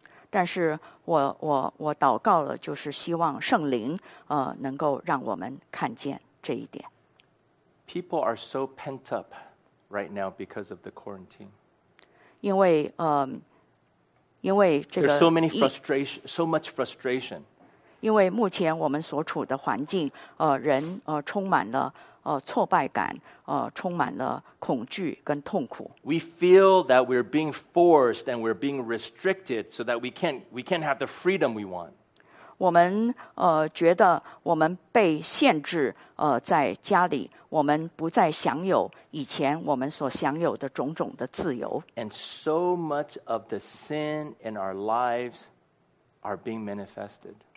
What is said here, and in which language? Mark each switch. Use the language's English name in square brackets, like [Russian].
[Chinese] 但是我祷告了，就是希望圣灵能够让我们看见这一点。 [English] People are so pent up right now because of the quarantine. [Chinese] 因为这个 [English] There's so many frustration, so much frustration. [Chinese] 因为目前我们所处的环境，人充满了挫败感，充满了恐惧跟痛苦。 [English] We feel that we're being forced and we're being restricted so that we can't have the freedom we want. [Chinese] 我们觉得我们被限制在家里，我们不再享有以前我们所享有的种种的自由。 [English] And so much of the sin in our lives are being manifested.